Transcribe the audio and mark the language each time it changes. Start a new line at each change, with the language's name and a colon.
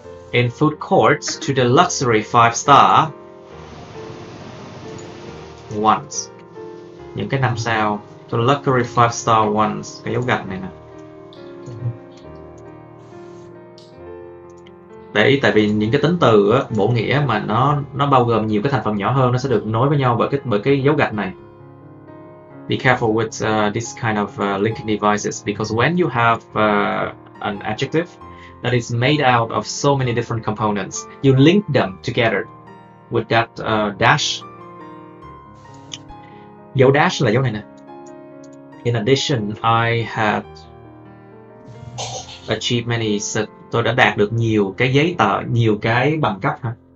English: In food courts to the luxury 5-star ones.
Vietnamese: Những cái năm sao,
English: to luxury 5-star ones.
Vietnamese: Cái dấu gạch này nè. Để ý, tại vì những cái tính từ á, bổ nghĩa mà nó bao gồm nhiều cái thành phần nhỏ hơn, nó sẽ được nối với nhau bởi cái dấu gạch này.
English: Be careful with this kind of linking devices, because when you have an adjective that is made out of so many different components, you link them together with that dash.
Vietnamese: Dấu dash là dấu này nè.
English: In addition, I had achieved many
Vietnamese: tôi đã đạt được nhiều cái giấy tờ, nhiều cái bằng cấp ha.